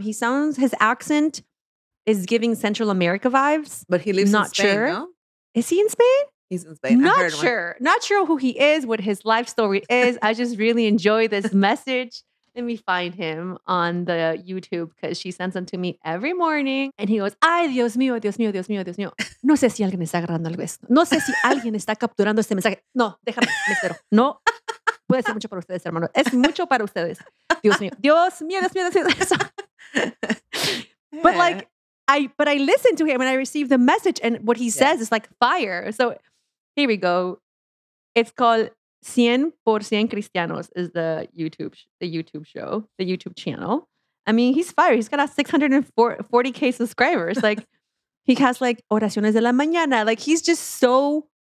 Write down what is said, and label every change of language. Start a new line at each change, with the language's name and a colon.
English: His accent is giving Central America vibes. But he lives not in Spain, sure. No? Is he in Spain? He's in Spain. Not sure. One. Not sure who he is, what his life story is. I just really enjoy this message. Let me find him on the YouTube because she sends them to me every morning. And he goes,
Spanish: ay, Dios mío, Dios mío, Dios mío, Dios mío. No sé si alguien está agarrando algo esto. No sé si alguien está capturando este mensaje. No, déjame, me cero. No, puede ser mucho para ustedes, hermano. Es mucho para ustedes. Dios mío, Dios mío, Dios mío, Dios mío. Dios mío.
English: But I listen to him and I receive the message and what he says is like fire. So here we go. It's called 100% Cristianos is the YouTube channel. I mean, he's fire. He's got a 640K subscribers. Like he has like
Spanish: oraciones de la mañana.
English: Like he's just so